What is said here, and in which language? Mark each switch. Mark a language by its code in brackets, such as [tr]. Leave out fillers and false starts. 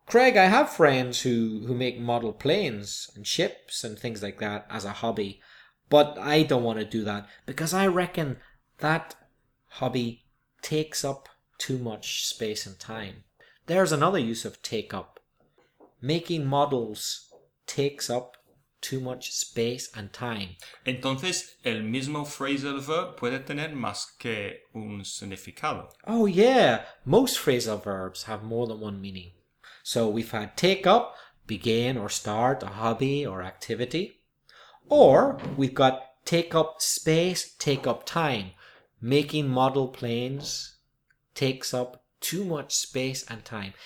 [en] Craig, I have friends who make model planes and ships and things like that as a hobby, but I don't want to do that because I reckon that hobby takes up too much space and time. There's another use of take up. Making models takes up too much space and time. [es] Entonces, el mismo phrasal verb puede tener más que un significado. [en] Oh yeah, most phrasal verbs have more than one meaning. So we've had take up, begin or start a hobby or activity. Or we've got take up space, take up time. Making model planes takes up too much space and time.